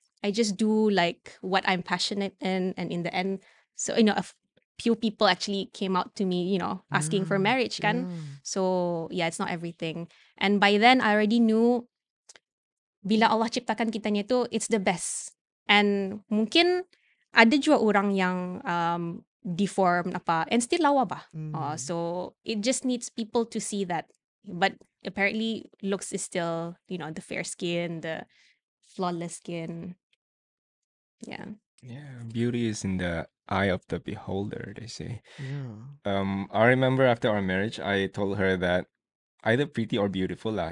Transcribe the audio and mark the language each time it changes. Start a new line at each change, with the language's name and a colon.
English: I just do like what I'm passionate in. And in the end, so, you know, a few people actually came out to me, you know, asking for marriage. Kan? Yeah. So yeah, it's not everything. And by then I already knew
Malay: bila Allah ciptakan kitanya tu,
English: it's the best.
Malay: And mungkin ada juga orang yang deformed apa,
English: and still
Malay: lawa ba.
English: So it just needs people to see that. But apparently looks is still, you know, the fair skin, the flawless skin. Yeah. Yeah, beauty is in the eye of the beholder, they say. Yeah. I remember after our marriage, I told her that either pretty or beautiful lah.